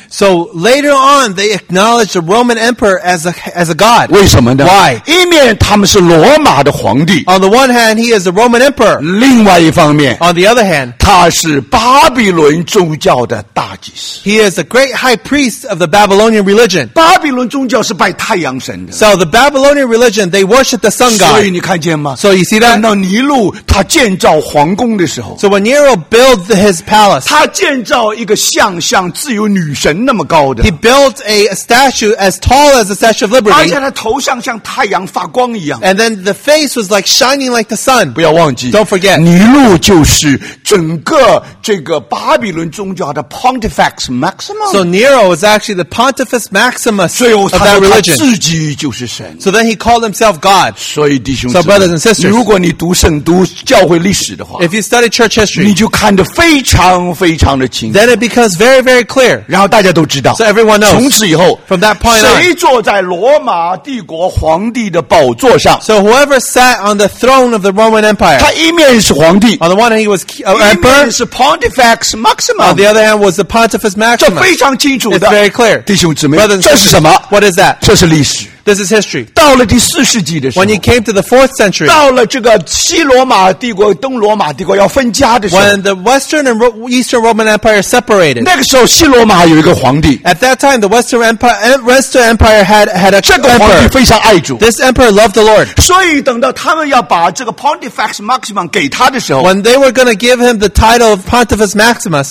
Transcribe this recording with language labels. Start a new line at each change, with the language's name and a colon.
English: So later on, they acknowledged the Roman emperor as a god.
Chinese: 为什么呢？
English: Why?
Chinese: 一面他们是罗马的皇帝。
English: On the one hand, he is the Roman emperor.
Chinese: 另外一方面。
English: On the other hand.
Chinese: 他是巴比伦宗教的大祭司。
English: He is the great high priest of the Babylonian religion.
Chinese: 巴比伦宗教是拜太阳。
English: So the Babylonian religion, they worship the sun god.
Chinese: 所以你看见吗？
English: So you see that?
Chinese: 看到尼禄他建造皇宫的时候，
English: So when Nero built his palace,
Chinese: 他建造一个像自由女神那么高的，
English: He built a statue as tall as the Statue of Liberty.
Chinese: 而且他头上像太阳发光一样，
English: And then the face was like shining like the sun.
Chinese: 不要忘记，
English: Don't forget,
Chinese: 尼禄就是整个巴比伦宗教的 Pontifex Maximus.
English: So Nero was actually the Pontifex Maximus of that religion. So then he called himself God.
Chinese: 所以弟兄姊妹,
English: so brothers and sisters,
Chinese: 如果你读圣读教会历史的话,
English: if you study church history,
Chinese: 你就看得非常非常的清楚,
English: then it becomes very, very clear.
Chinese: 然后大家都知道,
English: so everyone knows.
Chinese: 从此以后,
English: from that point on,
Chinese: 谁坐在罗马帝国皇帝的宝座上,
English: so whoever sat on the throne of the Roman Empire,
Chinese: 他一面是皇帝,
English: on the one hand he was emperor,
Chinese: 一面是 Pontifex Maximus,
English: on the other hand was the Pontifex Maximus.
Chinese: 这非常清楚的,
English: it's very clear.
Chinese: 弟兄姊妹,
English: brothers and sisters,
Chinese: 这是什么?
English: What is that?
Chinese: 这是历史。
English: This is history.
Chinese: 到了第四世纪的时候，
English: When you came to the 4th century,
Chinese: 到了这个西罗马帝国、东罗马帝国要分家的时候，
English: When the Western and Eastern Roman Empire separated,
Chinese: 那个时候西罗马有一个皇帝，
English: At that time, the Western Empire had a
Chinese: 这个皇帝非常爱主，
English: This emperor loved the Lord.
Chinese: 所以等到他们要把这个 Pontifex Maximus 给他的时候，
English: When they were going to give him the title of Pontifex Maximus,